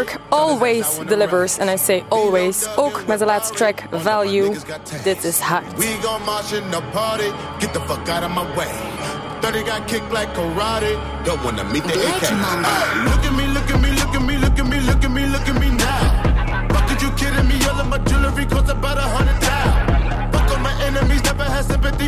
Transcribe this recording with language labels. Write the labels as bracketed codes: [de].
[en] Always delivers, and I say always. [nl] Ook met de laatste track, Value. Dit is hot. [en] We gon' march in the party. Get the fuck out of my way. 30 got kicked like karate. Don't wanna meet the AK. Look at me, look at me, look at me, look at me, look at me, look at me now. Fuck, are you kidding me? All of my jewelry costs about 100,000. Fuck all my enemies, never had sympathy.